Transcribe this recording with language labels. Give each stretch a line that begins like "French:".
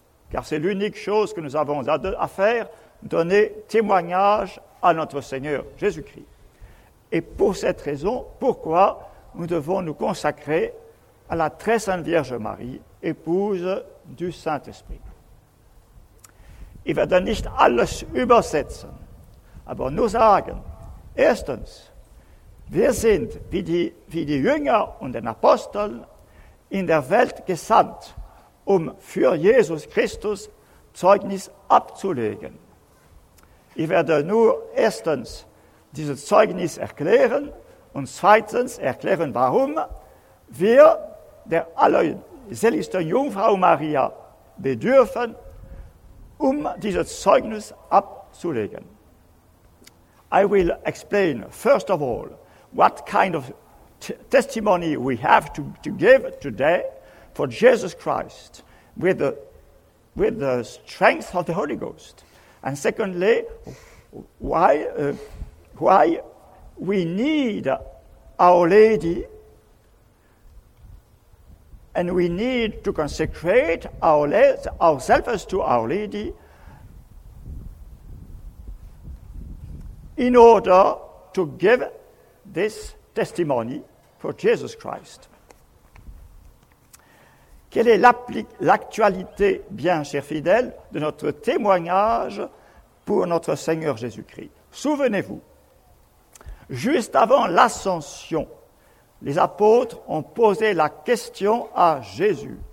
French: Car c'est l'unique chose que nous avons à faire, donner témoignage à notre Seigneur Jésus-Christ. Et pour cette raison, pourquoi nous devons nous consacrer à la très sainte Vierge Marie, épouse du Saint-Esprit. Il va
German: dann nicht alles übersetzen, aber nur sagen, erstens, wir sind wie die Jünger und den Aposteln in der Welt gesandt, um für Jesus Christus Zeugnis abzulegen. Ich werde nur erstens dieses Zeugnis erklären und zweitens erklären, warum wir der allerseligsten Jungfrau Maria bedürfen, um dieses Zeugnis abzulegen.
English: I will explain, first of all, what kind of testimony we have to give today for Jesus Christ with the strength of the Holy Ghost. And secondly, why we need Our Lady and we need to consecrate ourselves to Our Lady in order to give this testimony for Jesus Christ.
French: Quelle est l'actualité, bien chers fidèles, de notre témoignage pour notre Seigneur Jésus-Christ? Souvenez-vous, juste avant l'ascension, les apôtres ont posé la question à Jésus.